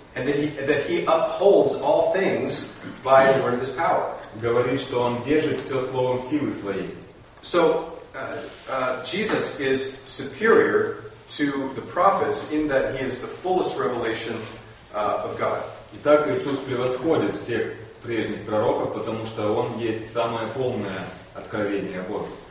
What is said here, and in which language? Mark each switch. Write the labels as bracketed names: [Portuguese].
[English] And that he upholds all things by the word of his power. [Russian] Говорит, что он держит все словом силы своей. [English] So Jesus is superior to the prophets in that he is the fullest revelation of God. [Russian] Итак, Иисус превосходит всех прежних пророков, потому что он есть самое полное откровение Бога.